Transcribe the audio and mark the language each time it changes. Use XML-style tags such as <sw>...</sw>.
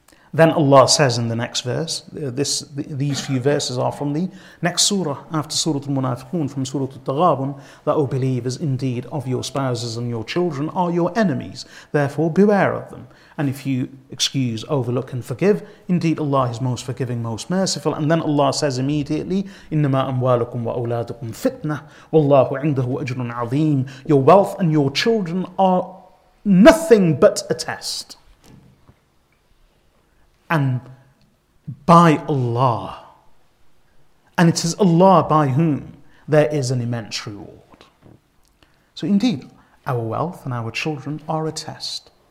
<en>Then Allah says in the next verse, these few verses are from the next surah, after Surah Al-Munafiqun, from Surah Al-Taghabun, that, O believers, indeed of your spouses and your children are your enemies. Therefore, beware of them. And if you excuse, overlook, and forgive, indeed Allah is most forgiving, most merciful. And then Allah says immediately,</en> <ar>إِنَّمَا أَمْوَالُكُمْ وَأَوْلَادُكُمْ فِتْنَةٌ وَاللَّهُ عِنْدَهُ أَجْرٌ عَظِيمٌ.</ar> <en>Your wealth and your children are nothing but a test. And by Allah, and it is Allah by whom there is an immense reward. So indeed, our wealth and our children are a test.</en>